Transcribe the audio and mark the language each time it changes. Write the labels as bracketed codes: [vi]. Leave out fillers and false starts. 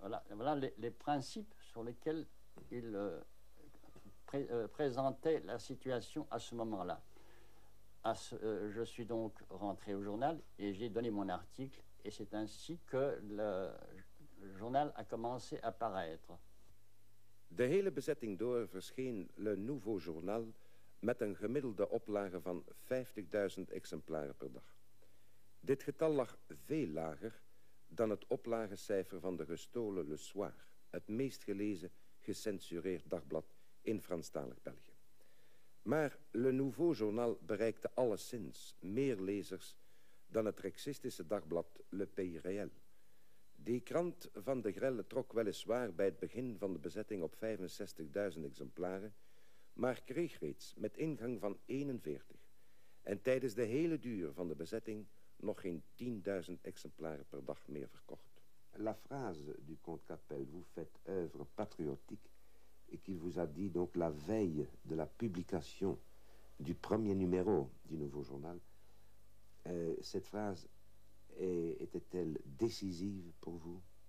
[fr] Voilà les principes sur lesquels il présentait la situation à ce moment-là. Je suis donc rentré au journal et j'ai donné mon article, et c'est ainsi que le journal a commencé à paraître. [nl] De hele bezetting door verscheen Le Nouveau Journal met een gemiddelde oplage van 50.000 exemplaren per dag. Dit getal lag veel lager dan het oplagecijfer van de gestolen Le Soir, het meest gelezen gecensureerd dagblad in Franstalig België. Maar Le Nouveau Journal bereikte alleszins meer lezers dan het rexistische dagblad Le Pays Réel. Die krant van de Grelle trok weliswaar bij het begin van de bezetting op 65.000 exemplaren, maar kreeg reeds met ingang van 41 en tijdens de hele duur van de bezetting nog geen 10.000 exemplaren per dag meer verkocht. [fr] La phrase du comte Capel, vous faites œuvre patriotique, et qu'il vous a dit donc la veille de la publication du premier numéro du Nouveau Journal, cette phrase était-elle décisive pour vous?